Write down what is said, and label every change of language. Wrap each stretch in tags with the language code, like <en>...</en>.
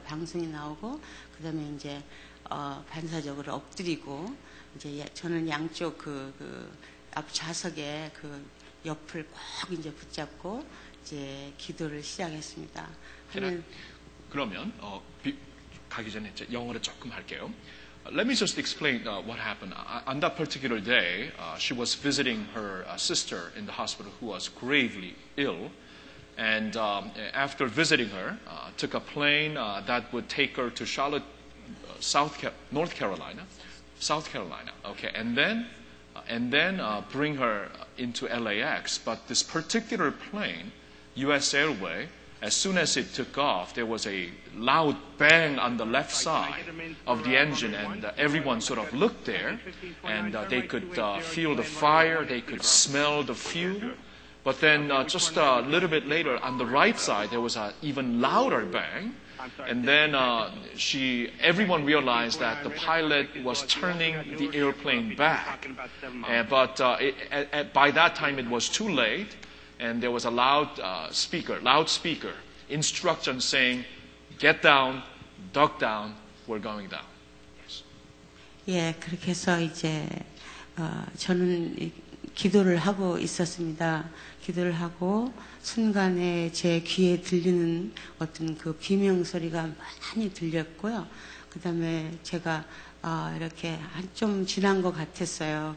<ko>방송이 나오고 그 다음에 이제 반사적으로 엎드리고 이제 저는 양쪽 그 앞 좌석에 그 옆을 꼭 이제 붙잡고 이제 기도를 시작했습니다. 그러면 가기 전에 영어를 조금 할게요.</ko> <en>Let me just explain what happened. On that particular day, she was visiting her sister in the hospital who was gravely ill. And after visiting her, took a plane that would take her to Charlotte, South Carolina. Okay, and then bring her into LAX. But this particular plane, US Airways, As soon as it took off, there was a loud bang on the left side of the engine, and everyone sort of looked there, and they could feel the fire, they could smell the fuel. But then just a little bit later, on the right side, there was an even louder bang. And then everyone realized that the pilot was turning the airplane back. By that time, it was too late, and there was a loudspeaker instruction saying, "Get down, duck down, we're going down." Yes.</en> <ko>예, 그렇게 해서 이제 저는 기도를 하고 있었습니다. 기도를 하고 순간에 제 귀에 들리는 어떤 그 비명 소리가 많이 들렸고요. 그 다음에 제가 이렇게 한좀 지난 것 같았어요.</ko>